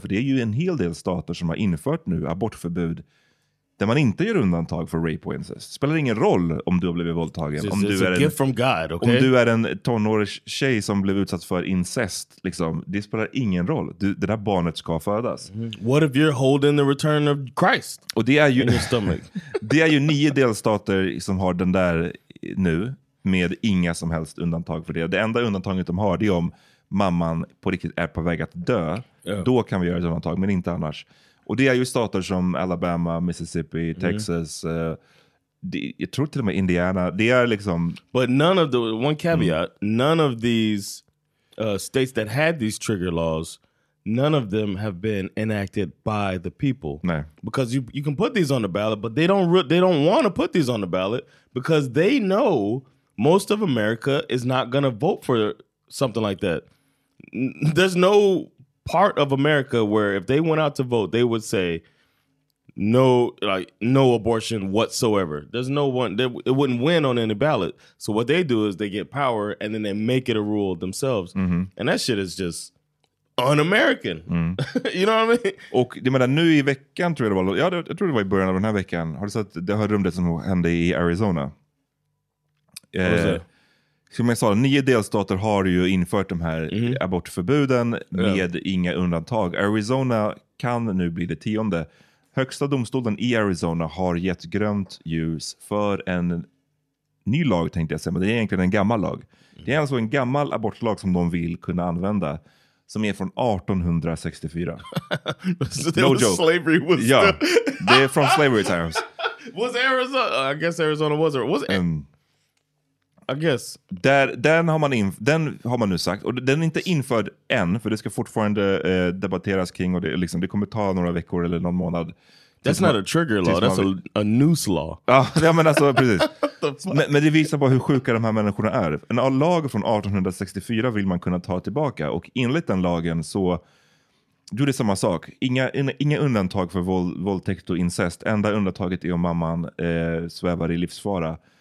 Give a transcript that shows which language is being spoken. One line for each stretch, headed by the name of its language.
Swedish: För det är ju en hel del stater som har infört nu abortförbud där man inte gör undantag för rape och incest. Det spelar ingen roll om du har blivit våldtagen. Om du är en tonårig tjej som blev utsatt för incest, liksom, det spelar ingen roll. Det där barnet ska födas.
English: What if you're holding the return of Christ?
Swedish: Och det är ju,
English: in your stomach.
Swedish: Det är ju 9 delstater som har den där nu. Med inga som helst undantag för det. Det enda undantaget de har, det är om mamman på riktigt är på väg att dö. Yeah. Då kan vi göra ett undantag, men inte annars. Och det är ju stater som Alabama, Mississippi, Texas. Jag tror till och med Indiana. Det är liksom...
English: But none of the... One caveat. None of these states that had these trigger laws, none of them have been enacted by the people.
Swedish: Nej.
English: Because you can put these on the ballot, but they don't want to put these on the ballot because they know... Most of America is not going to vote for something like that. There's no part of America where if they went out to vote, they would say no abortion whatsoever. There's no one. It wouldn't win on any ballot. So what they do is they get power and then they make it a rule themselves. Mm-hmm. And that shit is just un-American. You know what I mean?
Swedish: Och jag menar, nu i veckan tror jag det var. Ja, jag tror det var i början av den här veckan. Har du sett det här rummet som hände i Arizona? Som jag sa, 9 delstater har ju infört de här abortförbuden med inga undantag. Arizona kan nu bli det 10:e. Högsta domstolen i Arizona har gett grönt ljus för en ny lag, tänkte jag säga. Men det är egentligen en gammal lag. Det är alltså en gammal abortlag som de vill kunna använda, som är från 1864.
English: No joke. Slavery was still... Yeah, they're from slavery times. Was Arizona... I guess Arizona was... I guess.
Swedish: Den har man nu sagt, och den är inte införd än, för det ska fortfarande debatteras kring, och det, liksom, det kommer ta några veckor eller någon månad.
English: That's not a trigger law, that's a noose law.
Swedish: Ja, men alltså, precis. men det visar bara hur sjuka de här människorna är. En lag från 1864 vill man kunna ta tillbaka, och enligt den lagen så gjorde det samma sak. Inga undantag för våldtäkt och incest. Enda undantaget är om mamman svävar i livsfara.